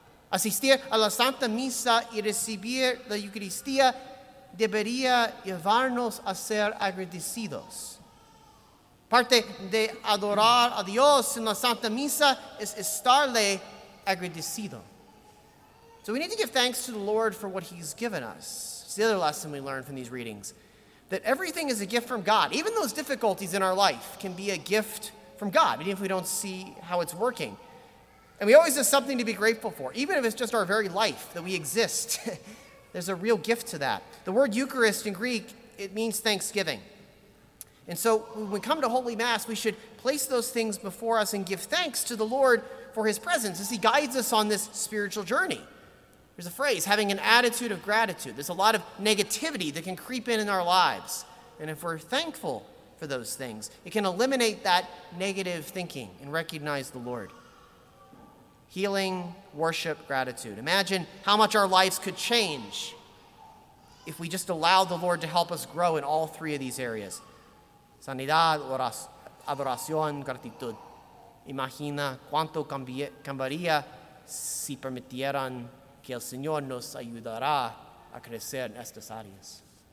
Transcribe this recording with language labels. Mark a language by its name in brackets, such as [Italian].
[Spanish] Asistir a la Santa Misa y recibir la Eucaristía debería llevarnos a ser agradecidos. Parte de adorar a Dios en la Santa Misa es estarle agradecido. [English] So we need to give thanks to the Lord for what he's given us. It's the other lesson we learned from these readings, that everything is a gift from God. Even those difficulties in our life can be a gift from God, even if we don't see how it's working. And we always have something to be grateful for, even if it's just our very life, that we exist. There's a real gift to that. The word Eucharist in Greek, it means thanksgiving. And so when we come to Holy Mass, we should place those things before us and give thanks to the Lord for his presence as he guides us on this spiritual journey. There's a phrase, having an attitude of gratitude. There's a lot of negativity that can creep in our lives. And if we're thankful for those things, it can eliminate that negative thinking and recognize the Lord. Healing, worship, gratitude. Imagine how much our lives could change if we just allow the Lord to help us grow in all three of these areas. [Spanish] Sanidad, adoración, gratitud. Imagina cuánto cambiaría si permitieran que el Señor nos ayudara a crecer en estas áreas.